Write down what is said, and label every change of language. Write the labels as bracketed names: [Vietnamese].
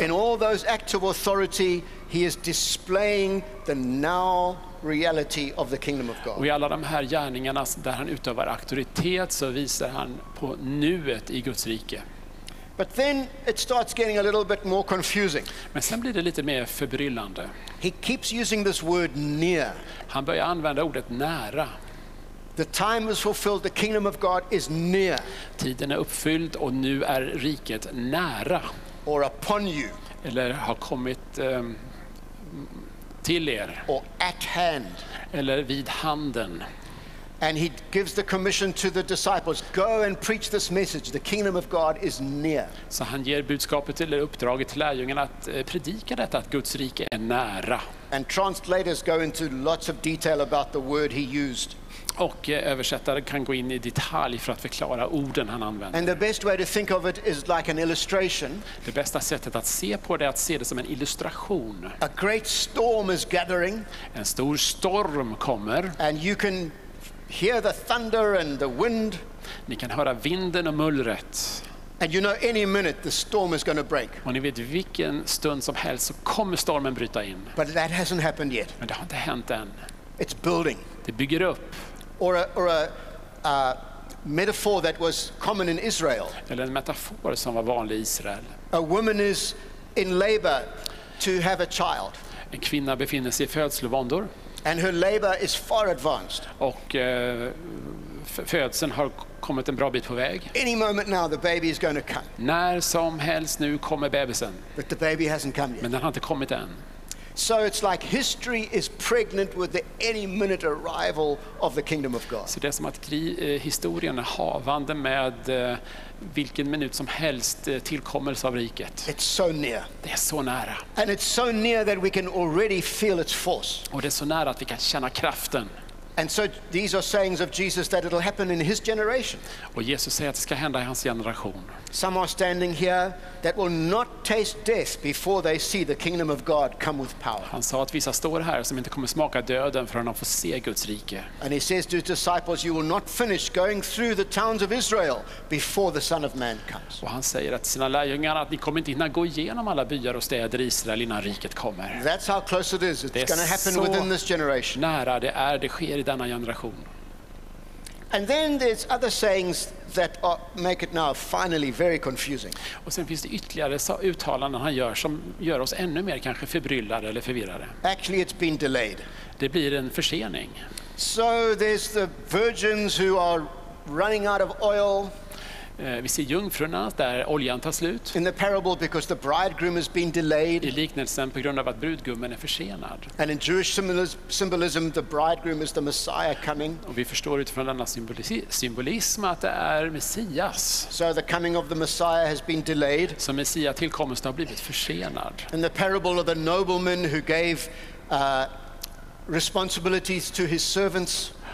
[English] In all those acts of authority, he is displaying the now reality of the kingdom of God. [Swedish] Och i alla de här gärningarna där han utövar auktoritet så visar han på nuet i Guds rike. [English] But then it starts getting a little bit more confusing. [Swedish] Men sen blir det lite mer förbryllande. [English] He keeps using this word near. [Swedish] Han börjar använda ordet nära. [English] The time is fulfilled, the kingdom of God is near. [Swedish] Tiden är uppfylld och nu är riket nära. [English] Or upon you. [Swedish] Eller har kommit till er. [English] Or at hand. [Swedish] Eller vid handen. [English] And he gives the commission to the disciples, go and preach this message, the kingdom of God is near. [Swedish] Så han ger budskapet eller uppdraget till lärjungarna att predika detta att Guds rike är nära. [English] And translators go into lots of detail about the word he used. [Swedish] Och översättare kan gå in i detalj för att förklara orden han använder. [English] And the best way to think of it is like an illustration. [Swedish] Det bästa sättet att se på det är att se det som en illustration. [English] A great storm is gathering. [Swedish] En stor storm kommer. [English] And you can hear the thunder and the wind. [Swedish] Ni kan höra vinden och mullret. [English] And you know any minute the storm is going to break. [Swedish] Och ni vet vilken stund som helst så kommer stormen bryta in. [English] But that hasn't happened yet. [Swedish] Men det har inte hänt än. [English] It's building. [Swedish] Det bygger upp. [English] Or a metaphor that was common in Israel. [Swedish] Eller en metafor som var vanlig i Israel. [English] A woman is in labor to have a child. [Swedish] En kvinna befinner sig i födslovåndor. [English] And her labor is far advanced. [Swedish] Och födseln har kommit en bra bit på väg. [English] Any moment now the baby is going to come. [Swedish] När som helst nu kommer bebisen. [English] But the baby hasn't come yet. [Swedish] Men den har inte kommit än. [English] So it's like history is pregnant with the any minute arrival of the kingdom of God. [Swedish] Så det är som att historien är havande med vilken minut som helst tillkommelse av riket. [English] It's so near. [Swedish] Det är så nära. [English] And it's so near that we can already feel its force. [Swedish] Och det är så nära att vi kan känna kraften. [English] And so these are sayings of Jesus that it'll happen in his generation. [Swedish] Och Jesus säger att det ska hända i hans generation. [English] Some are standing here that will not taste death before they see the kingdom of God come with power. [Swedish] Han sa att vissa står här som inte kommer smaka döden förrän de får se Guds rike. [English] And he says to his disciples, you will not finish going through the towns of Israel before the Son of Man comes. [Swedish] Och han säger att sina lärjungar att ni kommer inte hinna gå igenom alla byar och städer i Israel innan riket kommer. [English] That's how close it is. It's going to happen within this generation. [Swedish] Nära det är, det sker i denna generation. [English] And then there's other sayings that make it now finally very confusing. [Swedish] Och sen finns det ytterligare uttalanden han gör som gör oss ännu mer kanske förbryllade eller förvirrade. [English] Actually it's been delayed. [Swedish] Det blir en försening. [English] So there's the virgins who are running out of oil. [Swedish] Vi ser jungfrurna där oljan tar slut. [English] In the parable because the bridegroom has been delayed. [Swedish] I liknelsen på grund av att brudgummen är försenad. [English] And in Jewish symbolism the bridegroom is the Messiah coming. [Swedish] Och vi förstår utifrån denna symbolism att det är Messias. [English] So the coming of the Messiah has been delayed. [Swedish] Så Messias tillkomst har blivit försenad. [English] In the parable of the nobleman who gave responsibilities to his servants.